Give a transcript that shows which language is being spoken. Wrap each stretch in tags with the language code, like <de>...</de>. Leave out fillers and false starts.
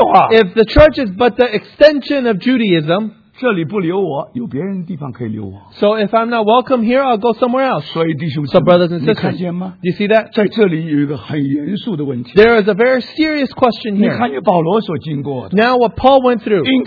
<en>If the church is but the extension of Judaism,</en> <zh>这里不留我,</zh> <en>so if I'm not welcome here, I'll go somewhere else.</en> <zh>所以弟兄姊妹,</zh> <en>so brothers and sisters,</en> <zh>你看见吗?</zh> <en>You see that?</en> <zh>在这里有一个很严肃的问题,</zh> <en>there is a very serious question here.</en> <zh>你看见保罗所经过的,</zh> <en>now what Paul went through,</en>